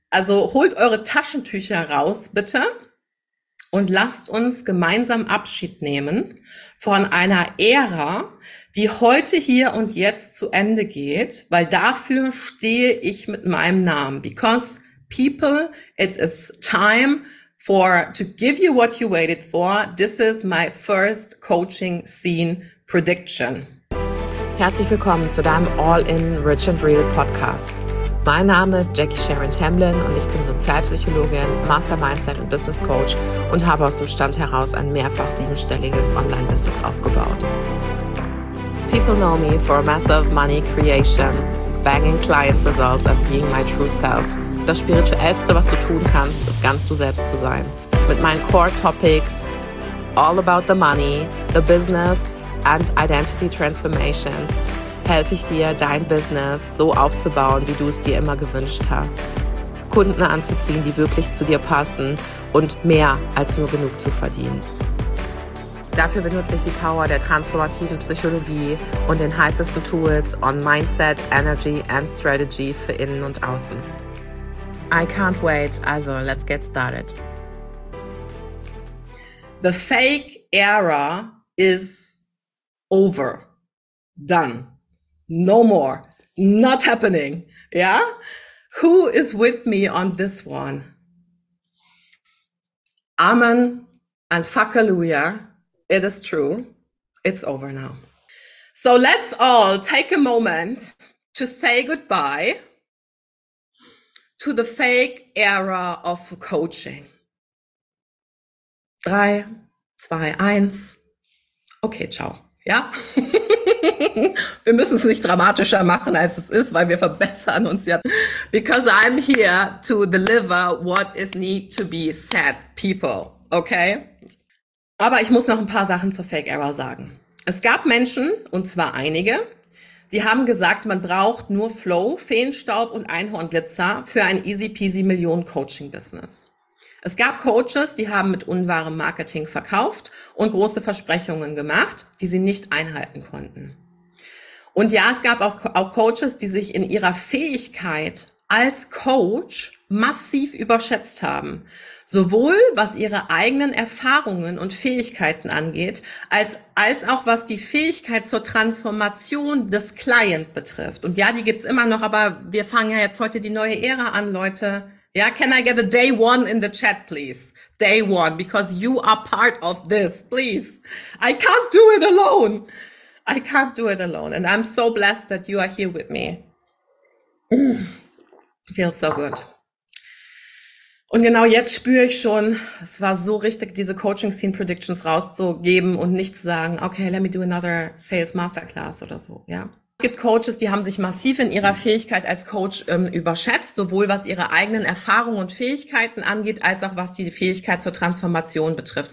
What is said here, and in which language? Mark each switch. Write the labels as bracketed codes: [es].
[de] Also holt eure Taschentücher raus, bitte. Und lasst uns gemeinsam Abschied nehmen von einer Ära, die heute hier und jetzt zu Ende geht, weil dafür stehe ich mit meinem Namen. [en] Because people, it is time for to give you what you waited for. This is my first coaching scene prediction. [de] Herzlich willkommen zu deinem All-in Rich and Real Podcast. Mein Name ist Jackie Sharon Tamblyn und ich bin Sozialpsychologin, Master Mindset und Business Coach und habe aus dem Stand heraus ein mehrfach siebenstelliges Online-Business aufgebaut. [en] People know me for massive money creation, banging client results and being my true self. [de] Das Spirituellste, was du tun kannst, ist ganz du selbst zu sein. Mit meinen Core Topics, [en] all about the money, the business and identity transformation, [de] helfe ich dir, dein Business so aufzubauen, wie du es dir immer gewünscht hast. Kunden anzuziehen, die wirklich zu dir passen und mehr als nur genug zu verdienen. Dafür benutze ich die Power der transformativen Psychologie und den heißesten Tools [en] on Mindset, Energy and Strategy [de] für Innen und Außen. [en] I can't wait, also let's get started. The fake era is over. Done. No more. Not happening. Yeah? Who is with me on this one? Amen and fuckaluja. It is true. It's over now. So let's all take a moment to say goodbye to the fake era of coaching. 3, 2, 1. Okay, ciao. Ja? [de] Wir müssen es nicht dramatischer machen, als es ist, weil wir verbessern uns ja. [en] Because I'm here to deliver what is need to be said, people. Okay? [de] Aber ich muss noch ein paar Sachen zur Fake Error sagen. Es gab Menschen, und zwar einige, die haben gesagt, man braucht nur Flow, Feenstaub und Einhornglitzer für ein Easy-Peasy-Millionen-Coaching-Business. Es gab Coaches, die haben mit unwahrem Marketing verkauft und große Versprechungen gemacht, die sie nicht einhalten konnten. Und ja, es gab auch Coaches, die sich in ihrer Fähigkeit als Coach massiv überschätzt haben. Sowohl was ihre eigenen Erfahrungen und Fähigkeiten angeht, als auch was die Fähigkeit zur Transformation des Client betrifft. Und ja, die gibt's immer noch, aber wir fangen ja jetzt heute die neue Ära an, Leute. [en] Ja, can I get a day one in the chat, please? Day one, because you are part of this, please. I can't do it alone. I can't do it alone. And I'm so blessed that you are here with me. Feels so good. [de] Und genau jetzt spüre ich schon, es war so richtig, diese Coaching Scene Predictions rauszugeben und nicht zu sagen, [en] okay, let me do another Sales Masterclass [de] oder so, ja. Es gibt Coaches, die haben sich massiv in ihrer Fähigkeit als Coach überschätzt, sowohl was ihre eigenen Erfahrungen und Fähigkeiten angeht, als auch was die Fähigkeit zur Transformation betrifft.